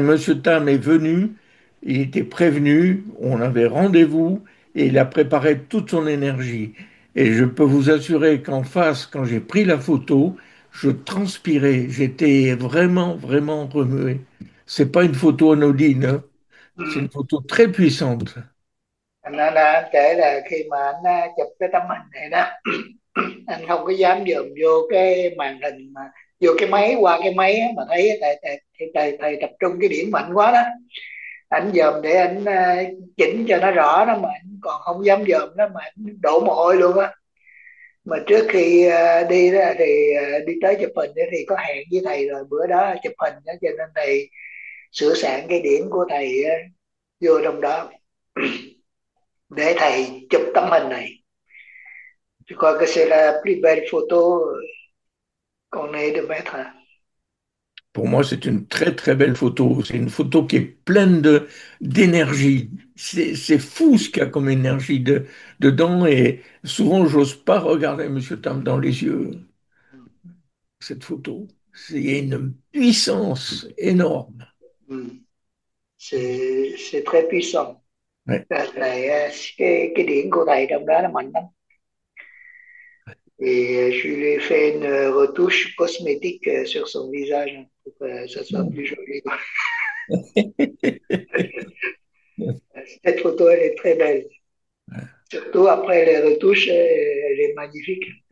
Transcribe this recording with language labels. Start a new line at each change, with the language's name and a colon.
French: Et Monsieur Tam est venu. Il était prévenu. On avait rendez-vous et il a préparé toute son énergie. Et je peux vous assurer qu'en face, quand j'ai pris la photo, je transpirais, j'étais vraiment, vraiment remué. C'est pas une photo anodine, hein. C'est une photo très puissante.
Vietnamese: Anh kể là khi mà anh chụp cái tấm hình này đó, anh không có dám dòm vô cái màn hình mà vô cái máy, qua cái máy mà thấy thầy tập trung cái điểm mạnh quá đó, anh dòm để anh chỉnh cho nó rõ đó, mà anh còn không dám dòm đó, mà anh đổ mồ hôi luôn á. Mà trước khi đi đó thì đi tới chụp hình đó, thì có hẹn với thầy rồi bữa đó chụp hình đó, cho nên thầy sửa soạn cái điểm của thầy vô trong đó để thầy chụp tấm hình này.
French: Je crois que c'est la plus belle photo qu'on ait de mettre. Pour moi, c'est une très très belle photo. C'est une photo qui est pleine de d'énergie. C'est fou ce qu'il y a comme énergie dedans. Et souvent, j'ose pas regarder Monsieur Tam dans les yeux. Cette photo, il y a une puissance énorme. C'est très puissant.
Vietnamese: Cái điển của thầy trong đó là mạnh lắm.
French: Et je lui ai fait une retouche cosmétique sur son visage pour que ça soit plus joli. Cette photo, elle est très belle. Surtout après les retouches, elle est magnifique.